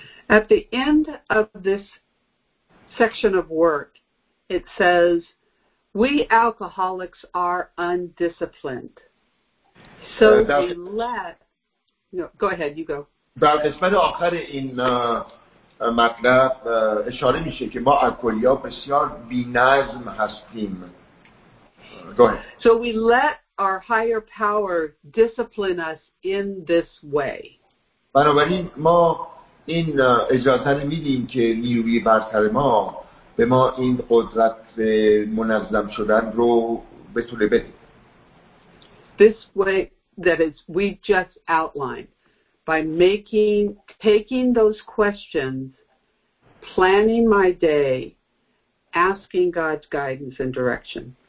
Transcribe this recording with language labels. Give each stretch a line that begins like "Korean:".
English: At the end of this section of work, it says, "We alcoholics are undisciplined, so we let." No, go ahead. You go.
Persian: در قسمت آخر این مطلب اشاره میشه که ما الکلی‌ها بسیار بی‌نظم هستیم.
English: Go ahead. So we let our higher power discipline us in this way.
Persian: بنابراین ما این اجازه رو میدیم که نیروی برتر ما به ما این قدرت منظم شدن رو بتونه بده.
English: This way that is we just outlined by taking those questions, planning my day, asking God's guidance and direction.